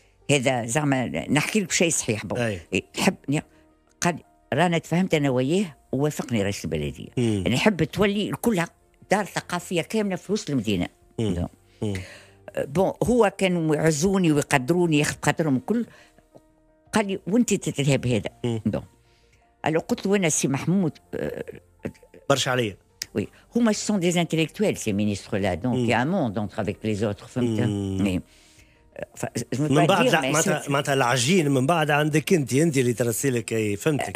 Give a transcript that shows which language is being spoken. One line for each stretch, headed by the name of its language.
Arabic: هذا زعما نحكي لك شيء صحيح بو نحب قال رانا تفهمت أنا وياه ووافقني رئيس البلدية نحب تولي الكل دار ثقافية كاملة في وسط المدينة. بون هو كانوا يعزوني ويقدروني ياخذ قدرهم الكل قال لي وانت تذهب هذا قال قلت له أنا سي محمود برش عليا
French: Oui,
Arabic: هما
French: sont des intellectuels ces ministres là donc il y a un monde entre avec les autres
Arabic: فهمت من بعد معناتها العجين من بعد عندك انت انت اللي ترسي لك فهمتك